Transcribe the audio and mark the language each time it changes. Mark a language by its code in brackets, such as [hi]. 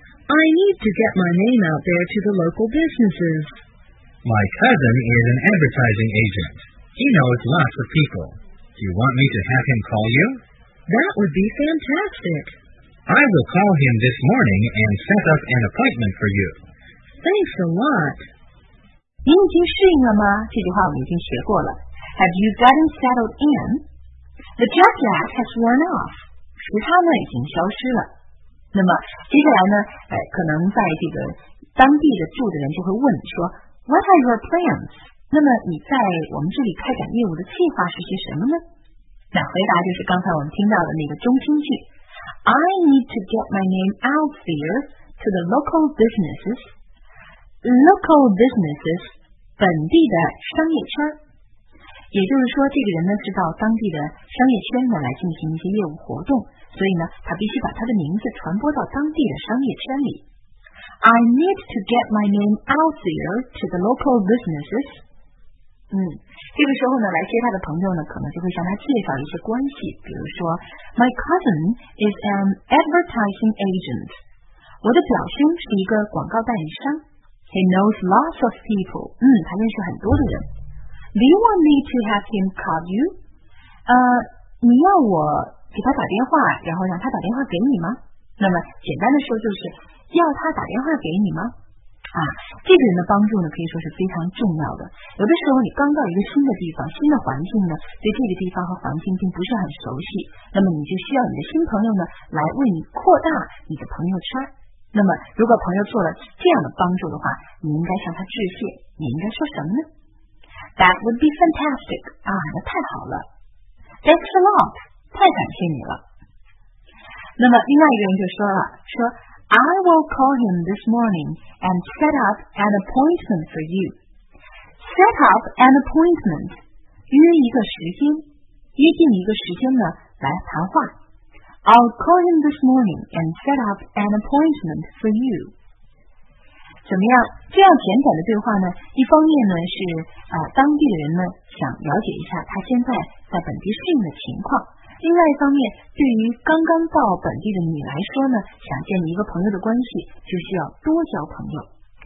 [en] I need to get my name out there to the local businesses. My cousin is an advertising agent. He knows lots of people. Do you want me to have him call you? That would be fantastic. I will call him this morning and set up an appointment for you. Thanks a lot. [zh] 你已经适应了吗？这句话我们已经学过了。 [en] Have you gotten settled in? The jet lag has worn off. [zh] 时差呢已经消失了。那么接下来呢，可能在这个当地的住的人就会问说 [en] What are your plans? [zh] 那么你在我们这里开展业务的计划是些什么呢？那回答就是刚才我们听到的那个中心句。 [en] I need to get my name out there to the local businesses. Local businesses, [zh] 本地的商业圈。也就是说这个人呢是到当地的商业圈呢来进行一些业务活动，所以呢他必须把他的名字传播到当地的商业圈里。 [en] I need to get my name out there to the local businesses. [zh] 这个时候呢，来接他的朋友呢，可能就会向他介绍一些关系，比如说 [en] My cousin is an advertising agent. [zh] 我的表兄是一个广告代理商。 [en] He knows lots of people. [zh] 他认识很多的人。 [en] Do you want me to have him call you? [zh] 你要我给他打电话，然后让他打电话给你吗？那么简单的说就是要他打电话给你吗？这个人的帮助呢可以说是非常重要的。有的时候你刚到一个新的地方，新的环境呢对这个地方和环境并不是很熟悉，那么你就需要你的新朋友呢来为你扩大你的朋友圈。那么如果朋友做了这样的帮助的话，你应该向他致谢，你应该说什么呢？ [en] That would be fantastic. [zh] 那太好了。 [en] Thanks a lot. [zh] 太感谢你了。那么另外一个人就说了，说 [en] I will call him this morning and set up an appointment for you. Set up an appointment. [zh] 约一个时间，约定一个时间呢，来谈话。 [en] I'll call him this morning and set up an appointment for you. [zh] 怎么样？这样简短的对话呢，一方面呢是当地的人呢想了解一下他现在在本地适应的情况。另外一方面，对于刚刚到本地的你来说呢，想建立一个朋友的关系，就需要多交朋友。